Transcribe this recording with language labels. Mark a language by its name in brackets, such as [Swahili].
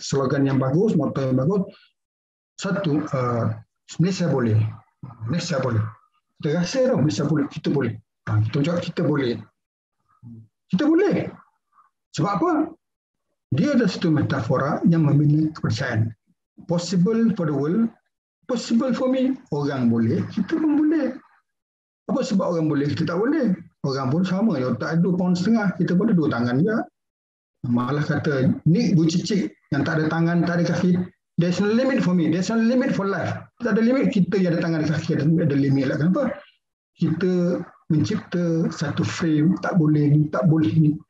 [Malay] Slogan yang bagus. Motor yang bagus. Satu. Malaysia boleh. Malaysia boleh. Kita rasa tau Malaysia boleh. Kita boleh. Kita cakap kita boleh. Kita boleh. Sebab apa? Dia ada satu metafora yang memiliki kepercayaan. [English] Possible for the world, possible for me. [Malay] Orang boleh, kita pun boleh. Apa sebab orang boleh, kita tak boleh? Orang pun sama. Otak 2.5 pound, kita pun ada dua tangan juga. Malah kata, ni buncit yang tak ada tangan, tak ada kaki. [English] There's no limit for me. There's no limit for life. [Malay] Tak ada limit. Kita yang ada tangan, ada kaki, ada limit lah. Kenapa? Kita mencipta satu frame, tak boleh ni, tak boleh ni.